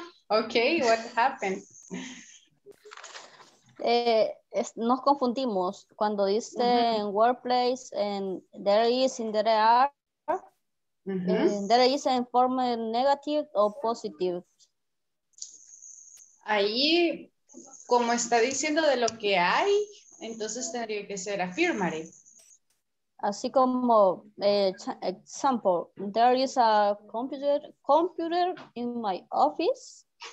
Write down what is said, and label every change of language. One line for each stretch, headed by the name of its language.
English: Okay, what happened?
Spanish: Nos confundimos cuando dice
English: uh-huh. workplace and there is and there are. Uh-huh. And there is in form negative or positive.
Spanish: Ahí, como está diciendo de lo que hay, entonces tendría que ser affirmative. Así como,
English: example, there is a computer in my office.